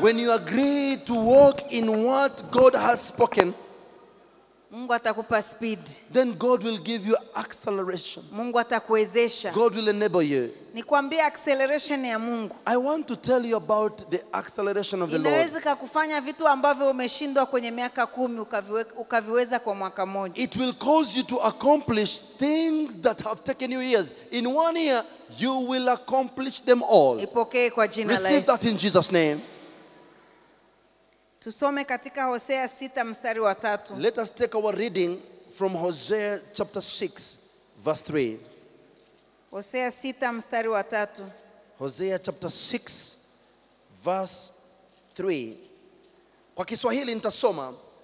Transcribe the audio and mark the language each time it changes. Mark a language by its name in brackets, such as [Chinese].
[English] When you agree to walk in what God has spoken. [Swahili] Mungu atakupa speed. [English] Then God will give you acceleration. [Swahili] Mungu atakuwezesha. [English] God will enable you. [Swahili] Nikwambie acceleration ya Mungu. [English] I want to tell you about the acceleration of the Lord. [Swahili] Inaweza kukufanya vitu ambavyo umeshindwa kwenye miaka 10 ukaviweza kwa mwaka mmoja. [English] It will cause you to accomplish things that have taken you years. In 1 year, you will accomplish them all. [Swahili] Ipokee kwa jina la Yesu. [English] Receive that in Jesus' name. [Swahili] Tusome katika Hosea 6 mstari wa 3. [English] Let us take our reading from Hosea chapter 6 verse 3. [Swahili] Hosea 6 mstari wa 3. [English] Hosea chapter 6 verse 3. [Swahili] Kwa Kiswahili nitasoma.